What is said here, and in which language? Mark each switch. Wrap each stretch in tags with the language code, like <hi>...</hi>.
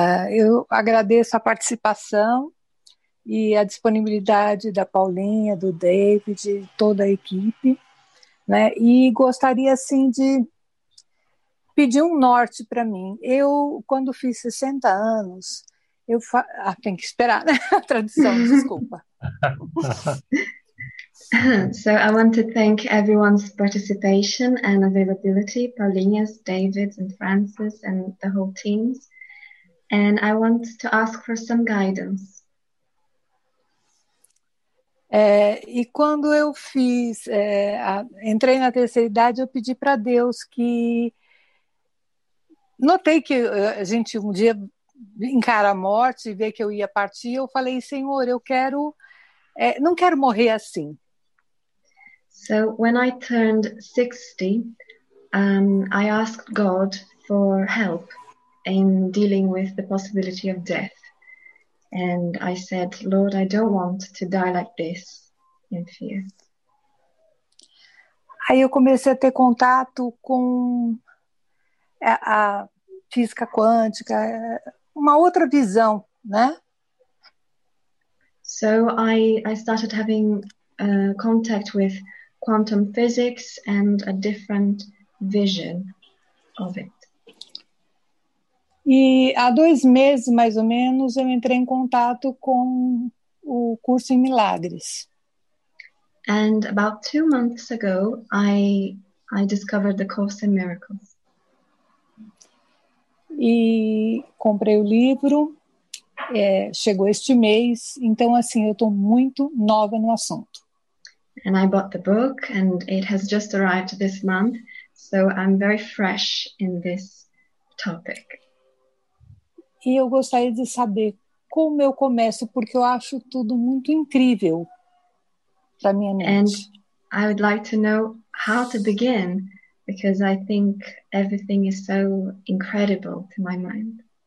<pt>Eu agradeço a participação e a disponibilidade da Paulinha, do David, de toda a equipe, né? E gostaria, assim, de pedir um norte para mim. Eu, quando fiz 60 anos, tem que esperar, né? A tradição, desculpa.</pt> <en>So I want to thank everyone's participation and availability, Paulinhas, David, and Francis, and the whole teams. And I want to ask for some guidance.</en> <pt>E quando eu fiz, entrei na terceira idade, eu pedi para Deus que... Notei que a gente um dia encara a morte e vê que eu ia partir. Eu falei, Senhor, eu quero... não quero morrer assim.</pt> <en>So when I turned 60, I asked God for help in dealing with the possibility of death. And I said, Lord, I don't want to die like this in fear.</en> <pt>Aí eu comecei a ter contato com a física quântica, uma outra visão, né?</pt> <en>So I started having contact with quantum physics and a different vision of it.</en> <pt>E há dois meses, mais ou menos, eu entrei em contato com o curso em milagres.</pt> <en>And about 2 months ago, I discovered the course in miracles.</en> <pt>E comprei o livro, chegou este mês, então assim, eu estou muito nova no assunto.</pt> <en>And I bought the book, and it has just arrived this month, so I'm very fresh in this topic.</en> <pt>E eu gostaria de saber como eu começo, porque eu acho tudo muito incrível para minha mente.</pt> <en>And I would like to know how to begin, because I think everything is so incredible to my mind.</en>